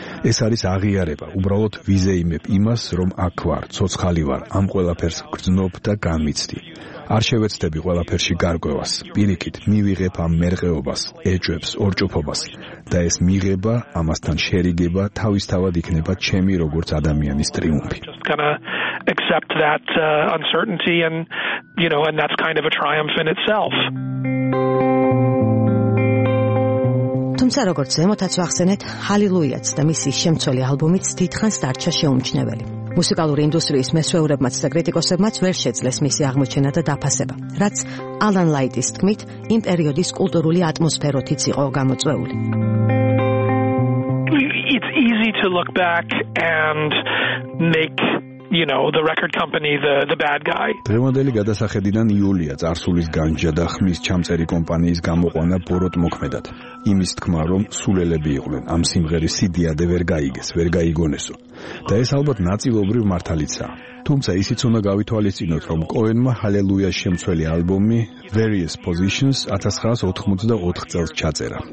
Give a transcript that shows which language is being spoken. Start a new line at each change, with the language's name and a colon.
Georgian: ეს არის აღიარება, უბრალოდ ვიზეიმებ იმას, რომ აქ ვარ, ცოცხალი ვარ, ამ ყველაფერს გრძნობ და განმიცდი. არ შევეცდები ყველაფერში გარკვევას, პირიქით მივიღებ ამ მერყეობას, ეჭვებს, ორჭოფობას და ეს მიღება, ამასთან შერიგება თავისთავად იქნება ჩემი როგორც ადამიანის ტრიუმფი.
English: Accept that uncertainty and you know and that's kind of a triumph in itself.
Georgian: თუმცა როგორც ზემოთაც ვახსენეთ, ჰალილუიაც და მისი შემცველი ალბომიც დიდხანს დარჩა შეუმჩნეველი. მუსიკალური ინდუსტრიის მესვეურებმაც და კრიტიკოსებმაც ვერ შეძლეს მისი აღმოჩენა და დაფასება, რაც ალან ლაიტის თქმით, იმ პერიოდის კულტურული ატმოსფეროთიც იყო გამოწვეული.
English: It's easy to look back and make you know the record company the bad guy.
Georgian: დემონდელი გადასახედიდან იულია წარსულის განჯა და ხმის ჩამწერი კომპანიის გამოყვანა ბოროტ მოქმედად. იმის თქმა, რომ სულელები იყვნენ, ამ სიმღერის სიდიადე ვერ გაიგეს, ვერ გაიგონესო. და ეს ალბათ ნაწილობრივ მართალიცაა. თუმცა ისიც უნდა გავითვალისწინოთ, რომ კოენმა ჰალელუიას შემცველი ალბომი Various Positions 1984 წელს ჩაწერა.